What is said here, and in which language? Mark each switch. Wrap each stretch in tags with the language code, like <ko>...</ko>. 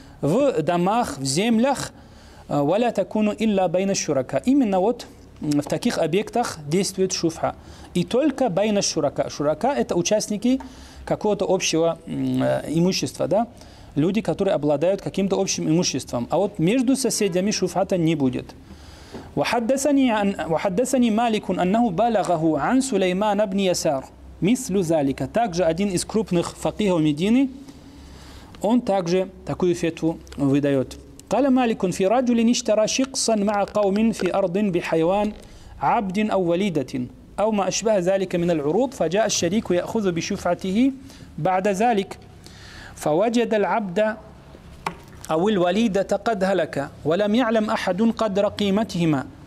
<ru>В домах, в землях,</ru> <ar>«Валя такуну илля байна шурака».</ar> <ru>Именно вот в таких объектах действует шуфа. И только</ru> <ar>байна шурака.</ar> <ru>Шурака – это участники какого-то общего имущества, да? Люди, которые обладают каким-то общим имуществом. А вот между соседями шуфата не будет.</ru> <ar>وحدثني مالك أنه بلغه عن سليمان بن يسار مثل ذلك.</ar> <ru>Также один из крупных факихов Медины, он также такую фетву выдает.</ru> <ar>قال مالك في رجل اشترى شقصا مع قوم في أرض بحيوان عبد أو وليدة أو ما أشبه ذلك من العروض فجاء الشريك يأخذ بشفعته بعد ذلك فوجد العبد أو الوليدة قد هلك ولم يعلم أحد قدر قيمتهما.</ar>